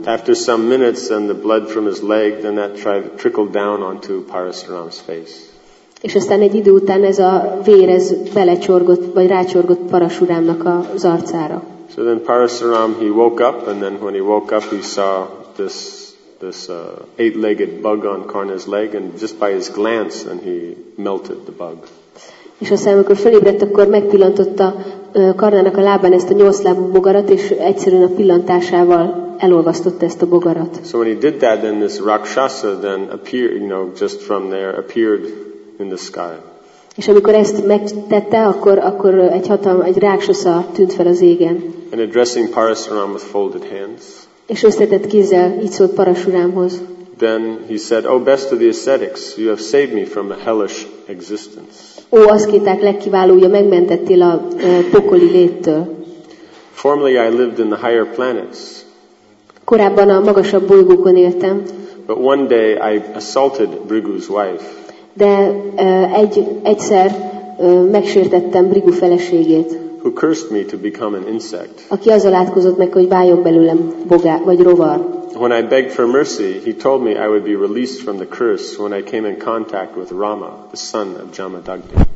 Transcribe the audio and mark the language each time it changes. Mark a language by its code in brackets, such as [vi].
[en] After some minutes and the blood from his leg, then that trickled down onto Parasuram's face. [hu] És aztán egy idő után ez a vér ez belecsorgott vagy rácsorgott Parasuramnak az arcára. [en] So then Parasuram he woke up and then when he woke up he saw this eight-legged bug on Karna's leg, and just by his glance, and he melted the bug. [hu] És aztán, amikor fölébredt, akkor megpillantotta Karnának a lábán ezt a nyolclábú bogarat, és egyszerűen a pillantásával elolvasztotta ezt a bogarat. [en] So when he did that, then this rakshasa then appeared, you know, just from there appeared in the sky. [hu] És amikor ezt megtette, akkor egy rakshasa tűnt fel az égen. [en] And addressing Parasuram with folded hands. [hu] És összetett kézzel így szólt Parasuramhoz. [en] Then he said, "Oh, best of the ascetics, you have saved me from a hellish existence." [hu] Ó, aszkéták legkiválója, megmentettél a pokoli léttől. [en] Formerly I lived in the higher planets. [hu] Korábban a magasabb bolygókon éltem. [en] But one day I assaulted Bhrigu's wife. [hu] De egyszer megsértettem Bhrigu feleségét. [en] Who cursed me to become an insect. [hu] Aki azzal átkozott meg, hogy váljon belőlem bogár vagy rovar. [en] When I begged for mercy, he told me I would be released from the curse when I came in contact with Rama, the son of Jamadagni.